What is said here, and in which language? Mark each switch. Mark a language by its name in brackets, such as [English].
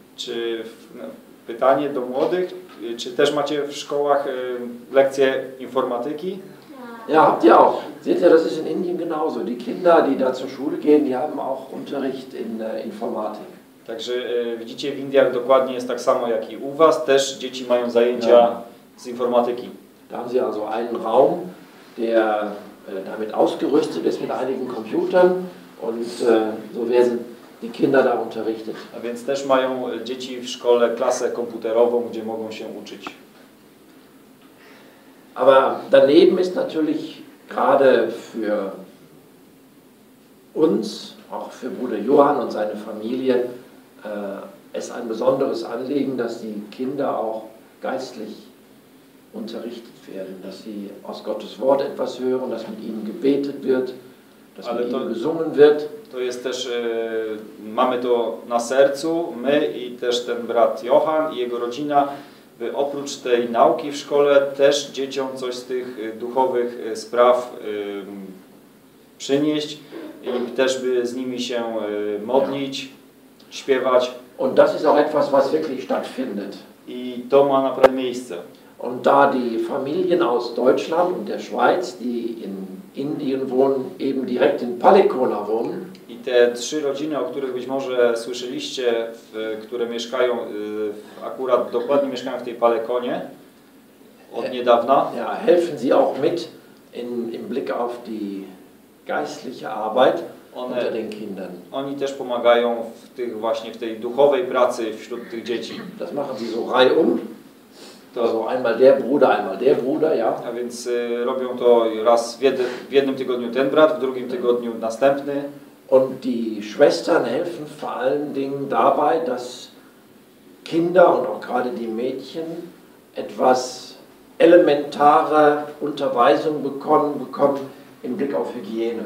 [Polish] Czy pytanie do młodych, czy też macie w szkołach lekcje informatyki? [German] Ja, habt ihr auch. Seht ihr, das ist in Indien genauso. Die Kinder, die da zur Schule gehen, die haben auch Unterricht in Informatik. [Polish] Także widzicie, w Indiach dokładnie jest tak samo jak i u was. Też dzieci mają zajęcia ja. Z informatyki. [German] Da haben sie also einen Raum, der damit ausgerüstet ist mit einigen Computern und so werden die Kinder da unterrichtet. [Polish] A więc też mają dzieci w szkole klasę komputerową, gdzie mogą się uczyć. [German] Aber daneben ist natürlich gerade für uns, auch für Bruder Johann und seine Familie, es ein besonderes Anliegen, dass die Kinder auch geistlich unterrichtet werden, dass sie aus Gottes Wort etwas hören, dass mit ihnen gebetet wird, dass mit ihnen gesungen wird. [Polish] To jest też, mamy to na sercu, my i też ten brat Johann i jego rodzina, by oprócz tej nauki w szkole też dzieciom coś z tych duchowych spraw przynieść i też by z nimi się modlić, ja. Śpiewać. [German] Und das ist auch etwas, was wirklich stattfindet. [Polish] I to ma naprawdę miejsce. [German] Und da die Familien aus Deutschland und der Schweiz, die in Indien wohnen, eben direkt in Palikona wohnen. [Polish] I te trzy rodziny, o których być może słyszeliście, które mieszkają, akurat dokładnie mieszkają w tej Palekonie od niedawna. [German] Ja, helfen sie auch mit im Blick auf die geistliche Arbeit unter den Kindern. [Polish] Oni też pomagają w tych właśnie w tej duchowej pracy wśród tych dzieci. [German] Das machen sie so reihum. Also einmal der Bruder, einmal der Bruder, ja. [Polish] A więc robią to raz w jednym tygodniu ten brat, w drugim tygodniu następny. [German] Und die Schwestern helfen vor allen Dingen dabei, dass Kinder und auch gerade die Mädchen etwas elementare Unterweisung bekommen im Blick auf Hygiene.